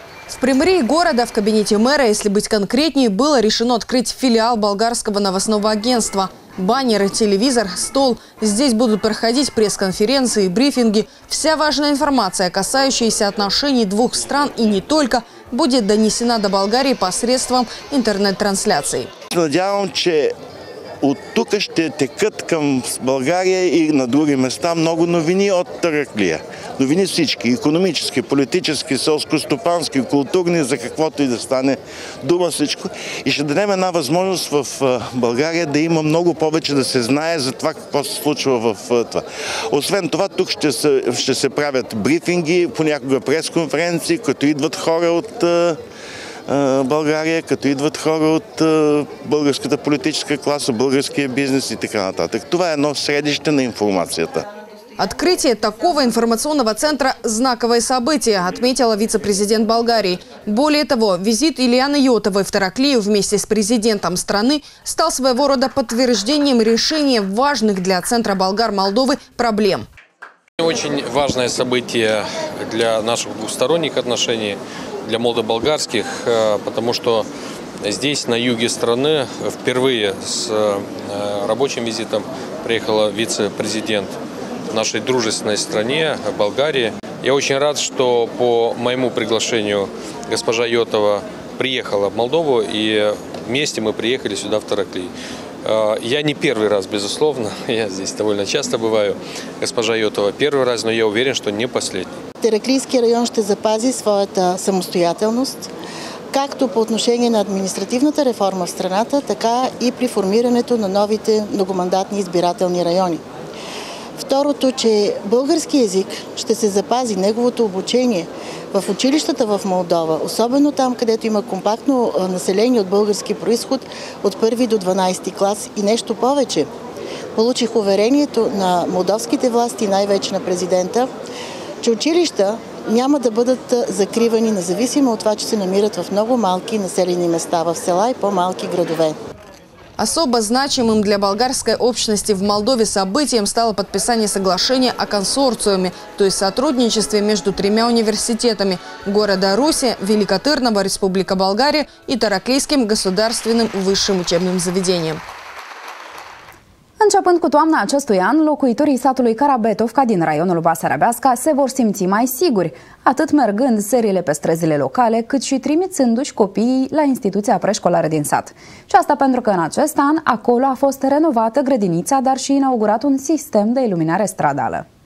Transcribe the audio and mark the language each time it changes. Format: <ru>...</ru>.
<ru>В премьере города в кабинете мэра, если быть конкретнее, было решено открыть филиал болгарского новостного агентства. Баннеры, телевизор, стол. Здесь будут проходить пресс-конференции, брифинги. Вся важная информация, касающаяся отношений двух стран и не только, будет донесена до Болгарии посредством интернет-трансляций.</ru> <bg>Оттук ще текат към България и на други места много новини от Тараклия. Новини всички – економически, политически, селско-стопански, културни, за каквото и да стане дума всичко. И ще дадем една възможност в България да има много повече да се знае за това какво се случва в това. Освен това, тук ще се правят брифинги, понякога пресконференции, като идват хора от България, като идват хора от българската политическа класа, българския бизнес и така нататък. Това е едно средище на информацията.</bg> <ru>Открытие такого информационного центра – знаковое событие, отметила вице-президент Болгарии. Более того, визит Ильяны Йотовой в Тараклию вместе с президентом страны стал своего рода подтверждением решения важных для центра Болгар-Молдовы проблем. Очень важное событие для наших двухсторонних отношений, для молдо-болгарских, потому что здесь, на юге страны, впервые с рабочим визитом приехала вице-президент нашей дружественной стране, Болгарии. Я очень рад, что по моему приглашению госпожа Йотова приехала в Молдову, и вместе мы приехали сюда, в Тараклей. Я не первый раз, безусловно, я здесь довольно часто бываю, госпожа Йотова первый раз, но я уверен, что не последний.</ru> <bg>Тараклийский район ще запази своята самостоятелност, както по отношение на административната реформа в страната, така и при формирането на новите многомандатни избирателни райони. Второто, че български език ще се запази неговото обучение в училищата в Молдова, особено там, където има компактно население от български происход от 1 до 12 клас и нещо повече. Получих уверението на молдовските власти, най-вече на президента, че училища няма да бъдат закривани, независимо от това, че се намират в много малки населени места, в села и по-малки градове.</bg> <ru>Особо значимым для болгарской общности в Молдове событием стало подписание соглашения о консорциуме, то есть сотрудничестве между тремя университетами – города Руси, Великотырного, Республика Болгария и Тараклейским государственным высшим учебным заведением.</ru> <ro>Începând cu toamna acestui an, locuitorii satului Carabetovca din raionul Basarabeasca se vor simți mai siguri, atât mergând seriile pe străzile locale, cât și trimițându-și copiii la instituția preșcolară din sat. Și asta pentru că în acest an, acolo a fost renovată grădinița, dar și inaugurat un sistem de iluminare stradală.</ro>